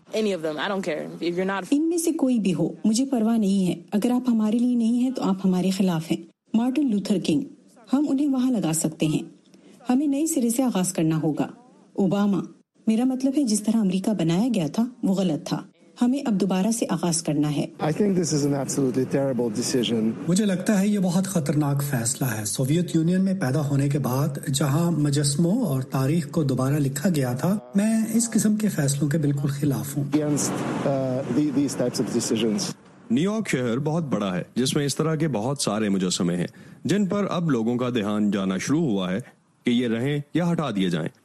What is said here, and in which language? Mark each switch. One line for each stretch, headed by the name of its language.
Urdu: ان میں سے کوئی بھی ہو مجھے پرواہ نہیں ہے, اگر آپ ہمارے لیے نہیں ہیں تو آپ ہمارے خلاف ہیں. مارٹن لوتھر کنگ, ہم انہیں وہاں لگا سکتے ہیں, ہمیں نئے سرے سے آغاز کرنا ہوگا. اوباما, میرا مطلب ہے جس طرح امریکہ بنایا گیا تھا وہ غلط تھا. ہمیں اب دوبارہ سے آغاز کرنا ہے.
English: I think this is an absolutely terrible decision.
Urdu: مجھے لگتا ہے یہ بہت خطرناک فیصلہ ہے. سوویت یونین میں پیدا ہونے کے بعد جہاں مجسموں اور تاریخ کو دوبارہ لکھا گیا تھا, میں اس قسم کے فیصلوں کے بالکل خلاف ہوں.
English: These types of decisions.
Urdu: New York شہر بہت بڑا ہے جس میں اس طرح کے بہت سارے مجسمے ہیں جن پر اب لوگوں کا دھیان جانا شروع ہوا ہے کہ یہ رہیں یا ہٹا دیے جائیں.